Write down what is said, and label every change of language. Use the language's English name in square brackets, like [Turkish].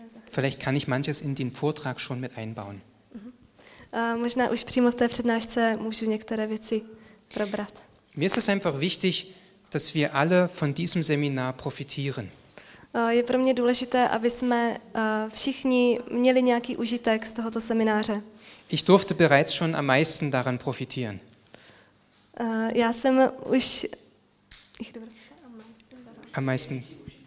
[German] Vielleicht kann ich manches in den Vortrag schon mit einbauen. [Czech] Možná už přímo v té přednášce můžu některé věci probrat. [German] Mir ist es einfach wichtig, dass wir alle von diesem Seminar profitieren. [Czech] Je pro mě důležité, aby jsme všichni měli nějaký užitek z tohoto semináře. [German] Ich durfte bereits schon am meisten daran profitieren. [Czech] Já jsem už [German] Ich habe am meisten davon einen großen Nutzen.